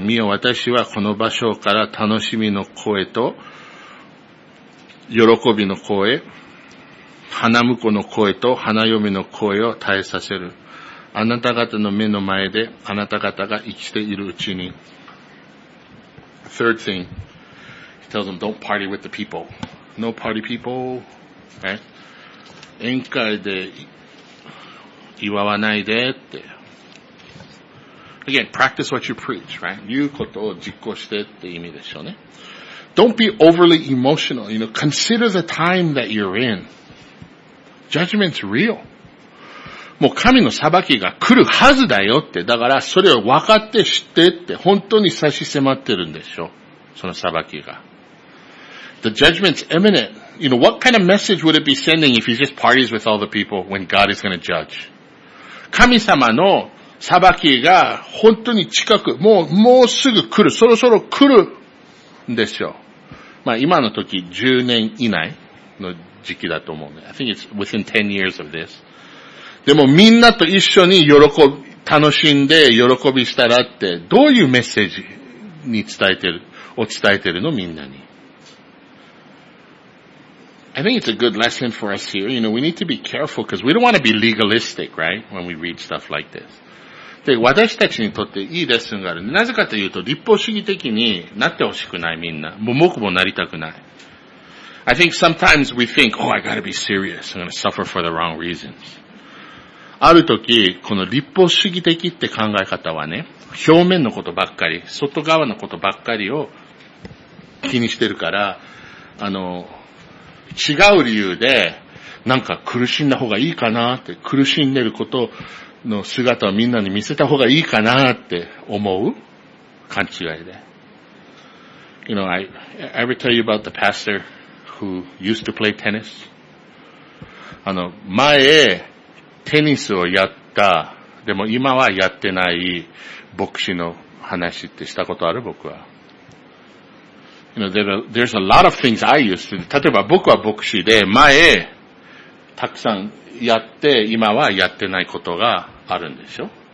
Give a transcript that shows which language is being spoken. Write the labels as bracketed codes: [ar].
[ja] 見よ、私はこの場所から楽しみの声と、喜びの声、花婿の声と花嫁の声を耐えさせる。あなた方の目の前であなた方が生きているうちに。 [en] Third thing, he tells them, don't party with the people. No party people, right? [ja] 宴会で祝わないでって。 [en] Again, practice what you preach, right? [ja] 言うことを実行してって意味でしょうね。 [en] Don't be overly emotional, you know, consider the time that you're in. Judgment's real. [ja] もう神の裁きが来るはずだよって。だからそれを分かって知ってって本当に差し迫ってるんでしょ。その裁きが。 [en] The judgment's imminent. You know, what kind of message would it be sending if he just parties with all the people when God is going to judge? [ja] 神様の裁きが本当に近く、もうすぐ来る、そろそろ来るんですよ。まあ今の時10年以内の時期だと思うね。 [en] I think it's within 10 years of this. [ja] でもみんなと一緒に楽しんで喜びしたらってどういうメッセージに伝えてるのみんなに。 [en] I think it's a good lesson for us here. You know, we need to be careful because we don't want to be legalistic, right? When we read stuff like this. [ja] で、私たちにとっていいレッスンがある。なぜかというと立法主義的になってほしくないみんな。もう僕もなりたくない。 [en] I think sometimes we think, oh, I gotta be serious. I'm gonna suffer for the wrong reasons. [ja] ある時、この立法主義的って考え方はね、表面のことばっかり、外側のことばっかりを気にしてるから、違う理由で、なんか苦しんだ方がいいかなって、苦しんでることの姿をみんなに見せた方がいいかなって思う勘違いで。 [en] You know, I ever tell you about the pastor? Who used to play tennis? [ja] 前、テニスをやった、でも今はやってない、牧師の話ってしたことある僕は。 [en] You know, there's a lot of things I used to do. [ja] 例えば僕は牧師で、前、たくさんやって、今はやってないことがあるんでしょ